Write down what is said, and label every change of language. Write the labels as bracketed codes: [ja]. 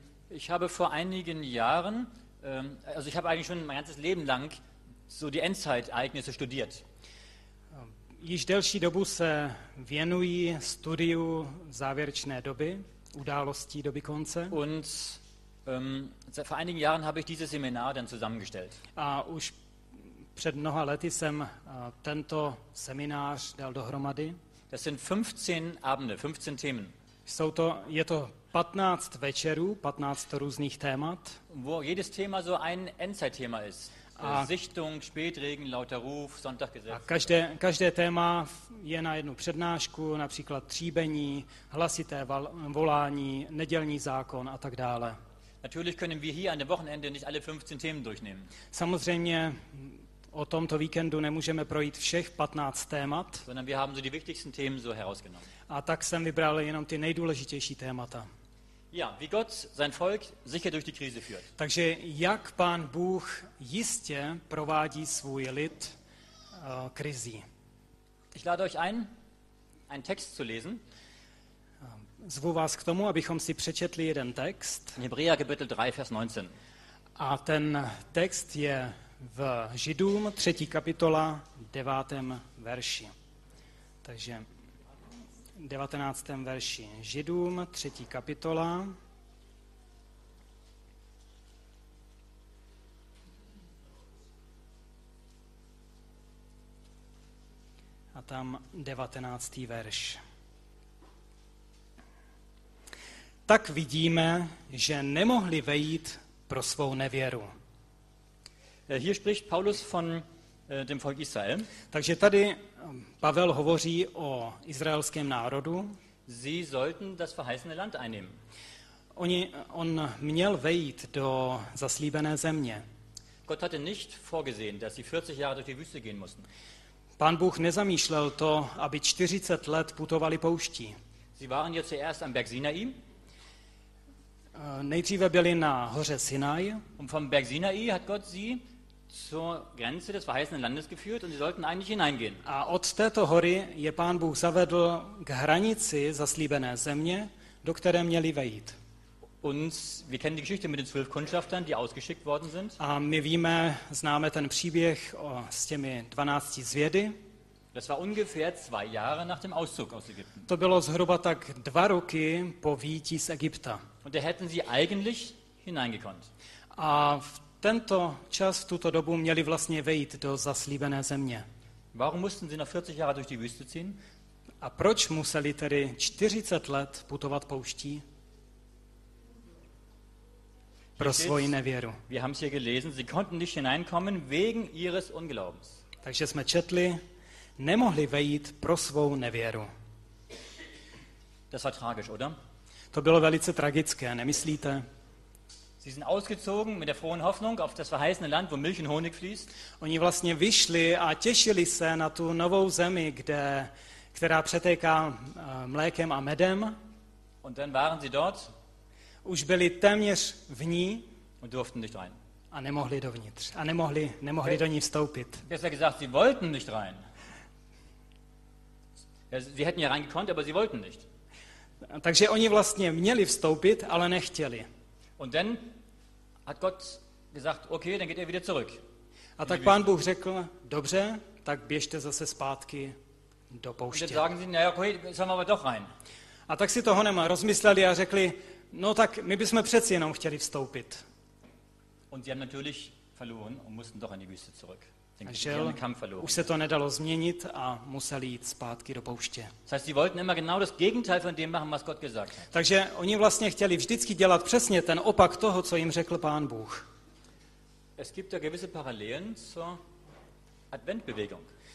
[de] Ich habe vor einigen Jahren, also ich habe eigentlich schon mein ganzes Leben lang so die Endzeitereignisse studiert. [cs] Již delší dobu se věnují studiu závěrečné doby, událostí doby konce. [de] Und seit vor einigen Jahren habe ich dieses Seminar dann zusammengestellt. [cs] A už před mnoha lety jsem tento seminář dal dohromady. [de] Das sind 15 Abende, 15 Themen. [cs] Jsou to, je to 15 večerů, 15 různých témat. [de] Wo jedes Thema so ein Endzeitthema ist. Sichtung, Spätregen, lauter Ruf, Sonntaggesetz. [cs] Každé téma je na jednu přednášku, například tříbení, hlasité volání, nedělní zákon a tak dále. [de] Natürlich können wir hier an dem Wochenende nicht alle 15 Themen durchnehmen. [cs] Samozřejmě o tomto víkendu nemůžeme projít všech 15 témat. [de] Sondern wir haben so die wichtigsten Themen so herausgenommen. [cs] A tak jsem vybral jenom ty nejdůležitější témata. [de] Ja, wie Gott sein Volk sicher durch die Krise führt. [cs] Takže jak Pán Bůh jistě provádí svůj lid krizí. [de] Ich lade euch ein, einen Text zu lesen. [cs] Zvu vás k tomu, abychom si přečetli jeden text. [de] Hebräer Kapitel 3 Vers 19. [cs] A ten text je v Židům 3. kapitola 9. verši. Takže 19. verši Židům 3. kapitola 19. verš. Tak vidíme, že nemohli vejít pro svou nevěru. [de] Hier spricht Paulus von dem Volk Israel. [cs] Takže tady Pavel hovoří o izraelském národu. [de] Sie sollten das verheißene Land einnehmen. [cs] On měl vejít do zaslíbené země. [de] Gott hatte nicht vorgesehen, dass sie 40 Jahre durch die Wüste gehen mussten. [cs] Pán Bůh nezamýšlel to, aby 40 let putovali pouští. [de] Sie waren jetzt erst am Berg Sinai. [cs] Nejdříve byli na hoře Sinai. [de] Und vom Berg Sinai hat Gott sie zur Grenze des verheißenen Landes geführt und sie sollten eigentlich hineingehen. [cs] A od této hory je Pán Bůh zavedl k hranici zaslíbené země, do které měli vejít. [de] Und wir kennen die Geschichte mit den 12 Kundschaftern, die ausgeschickt worden sind. [cs] A my víme, známe ten příběh s těmi 12 zvědy. [de] Das war ungefähr 2 Jahre nach dem Auszug aus Ägypten. [cs] To bylo zhruba tak 2 roky po výjití z Egypta. [de] Und da hätten sie eigentlich hineingekonnt. [cs] A tento čas, v tuto dobu, měli vlastně vejít do zaslíbené země. [de] Warum mussten sie nach 40 Jahren durch die Wüste ziehen? [cs] A proč museli tedy 40 let putovat pouští? Pro svoji nevěru. [de] Wir haben es hier gelesen, sie konnten nicht hineinkommen wegen ihres Unglaubens. [cs] Takže jsme četli, nemohli vejít pro svou nevěru. [de] Das war tragisch, oder? [cs] To bylo velice tragické, nemyslíte? [de] Sie sind ausgezogen mit der frohen Hoffnung auf das verheißene Land, wo Milch und Honig fließt. [cs] Oni vlastně vyšli a těšili se na tu novou zemi, která přetéká mlékem a medem. [de] Und dann waren sie dort. [cs] Už byli téměř v ní. [de] Und durften nicht rein. [cs] A nemohli dovnitř. A nemohli do ní vstoupit. [de] Besser gesagt, sie wollten nicht rein. Sie hätten ja reingekonnt, aber sie wollten nicht. [cs] Takže oni vlastně měli vstoupit, ale nechtěli. [de] Und dann hat Gott gesagt, okay, dann geht ihr wieder zurück. [cs] A tak Pán Bůh řekl, dobře, tak běžte zase zpátky do pouště. [de] Und sagen sie, naja, okay, sollen wir aber doch rein. [cs] A tak si toho nema rozmysleli a řekli, no tak my bychom přeci jenom chtěli vstoupit. [de] Und sie haben natürlich verloren und mussten doch in die Wüste zurück. [cs] Už se to nedalo změnit a museli jít zpátky do pouště. [de] Das heißt, sie wollten immer genau das Gegenteil von dem machen, was Gott gesagt hat. [cs] Takže oni vlastně chtěli vždycky dělat přesně ten opak toho, co jim řekl Pán Bůh. [de] Es gibt da gewisse Parallelen zur Adventbewegung.